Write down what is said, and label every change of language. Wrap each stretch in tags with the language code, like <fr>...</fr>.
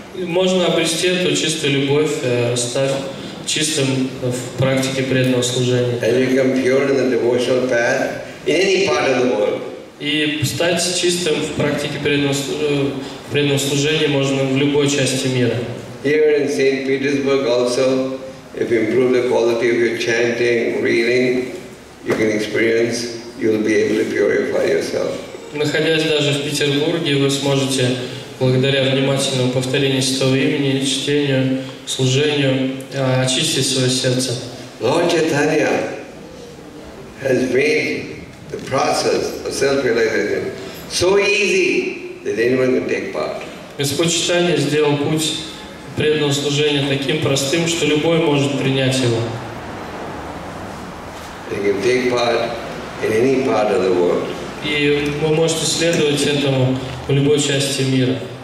<ru>Можно обрести эту чистую любовь, став чистым в практике преданного служения.</ru> <en>And become pure on the devotional path in any part of the world.</en> <ru>И стать чистым в практике преданного служения можно в любой части мира.</ru> <en>Here in St. Petersburg also, if you improve the quality of your chanting, reading, you can experience, you'll be able to purify yourself.</en> <ru>Находясь даже в Петербурге, вы сможете, благодаря внимательному повторению святого имени, чтению, служению, очистить свое сердце.</ru> <en>Lord Chaitanya has made the process of self-realization so easy that anyone can take part.</en> <ru>Господь Чайтанья сделал путь преданного служения таким простым, что любой может принять его.</ru> <en>They can take part in any part of the world.</en> <ru>И вы можете следовать этому в любой части мира.</ru>